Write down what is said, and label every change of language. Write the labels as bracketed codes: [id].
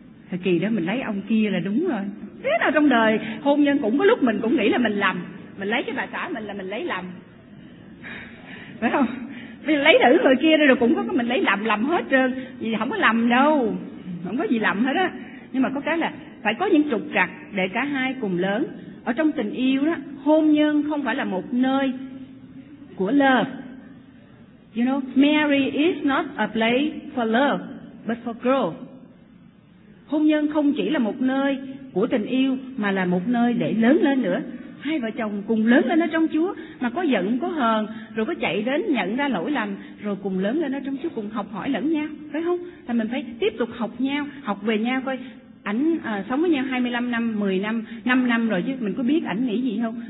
[vi] Thời kỳ đó mình lấy ông kia là đúng rồi. Thế nào trong đời hôn nhân cũng có lúc mình cũng nghĩ là mình lầm, mình lấy cái bà xã mình là mình lấy lầm, phải không? Mình lấy thử người kia rồi cũng có cái mình lấy lầm hết trơn, vì không có lầm đâu, không có gì lầm hết á. Nhưng mà có cái là phải có những trục trặc để cả hai cùng lớn. Ở trong tình yêu đó, hôn nhân không phải là một nơi của love. [en] You know, Mary is not a place for love, but for growth. [vi] Hôn nhân không chỉ là một nơi của tình yêu, mà là một nơi để lớn lên nữa. Hai vợ chồng cùng lớn lên ở trong Chúa, mà có giận, có hờn, rồi có chạy đến nhận ra lỗi lầm, rồi cùng lớn lên ở trong Chúa, cùng học hỏi lẫn nhau, phải không? Thì mình phải tiếp tục học nhau, học về nhau coi. Ảnh sống với nhau 25 năm, 10 năm, 5 năm rồi chứ, mình có biết ảnh nghĩ gì không?